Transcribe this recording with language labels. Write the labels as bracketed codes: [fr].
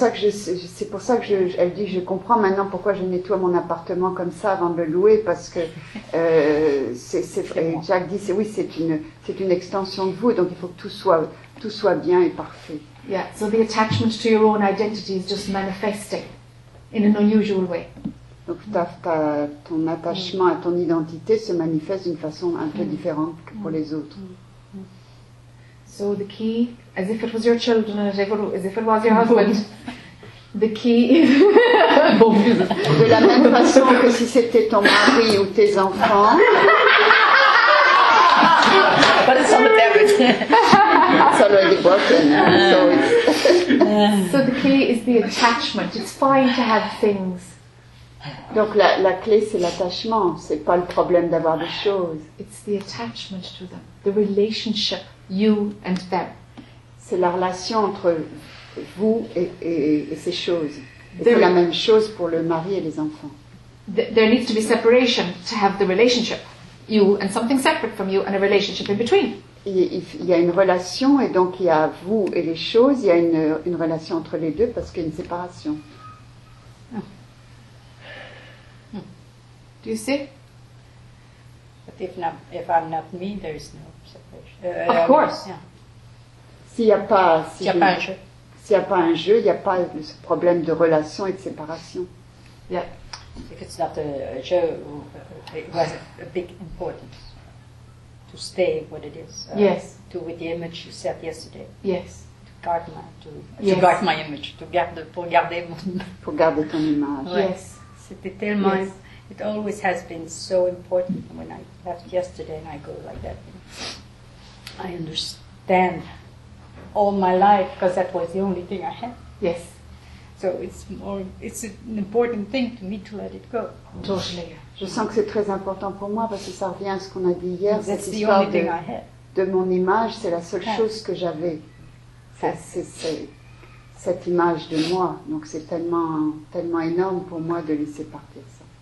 [fr] C'est pour ça que elle dit, je comprends maintenant pourquoi je nettoie mon appartement comme ça avant de le louer, parce que c'est Jack dit, c'est une extension de vous, donc il faut que tout soit bien et parfait. [en] Yeah, so the attachment to your own identity is just manifesting in an unusual way. [fr] Donc ton attachement à ton identité se manifeste d'une façon un peu différente que pour les autres. [en] So the key, as if it was your children, as if it was your husband, the key is... [fr] De la même façon que si c'était ton mari ou tes enfants. [en] But it's on the parents. It's already broken. So the key is the attachment. It's fine to have things. [fr] Donc la clé, c'est l'attachement, c'est pas le problème d'avoir des choses. [en] It's the attachment to them, the relationship, you and them. [fr] C'est la relation entre vous et ces choses. C'est la même chose pour le mari et les enfants. [en] There needs to be separation to have the relationship, you and something separate from you and a relationship in between. [fr] Il y a une relation et donc il y a vous et les choses, il y a une relation entre les deux parce qu'il y a une séparation. [en] Do you see? But if I'm not me, there is no separation. Of course. [fr] S'il n'y a pas un jeu, il n'y a pas ce problème de relation et de séparation. [en] Yeah. If it's not a joke, it was a big importance to stay what it is. Yes. To with the image you said yesterday. Yes. To partner to, yes, to guard my image, to garder, [fr] pour garder mon... pour garder ton image. [en] Ouais. Yes. [fr] C'était tellement, [en] yes, it always has been so important. When I left yesterday and I go like that, I understand all my life, because that was the only thing I had. Yes. So it's more, it's an important thing to me to let it go. Totally. [fr] Je sens que c'est très important pour moi parce que ça revient à ce qu'on a dit hier, that's cette histoire de mon image, c'est la seule chose que j'avais. C'est cette image de moi. Donc c'est tellement, tellement énorme pour moi de laisser partir ça.